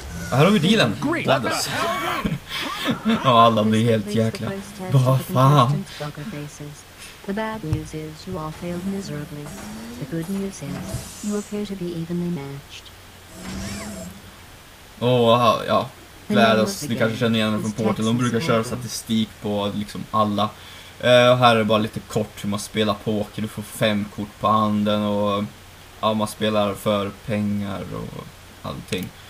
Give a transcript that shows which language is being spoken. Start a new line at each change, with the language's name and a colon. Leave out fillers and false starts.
Swedish: Här har vi dealen, GLaDOS. Ja, alla blir helt jäkla. Vad fan?
English: The bad news is you all failed miserably. The good news is you appear to be evenly matched. Oh, ja.
Swedish: GLaDOS, ni kanske känner igen från Portal. De brukar köra statistik på liksom alla. Här är bara lite kort hur man spelar poker. Du får 5 kort på handen och ja, man spelar för pengar och allting.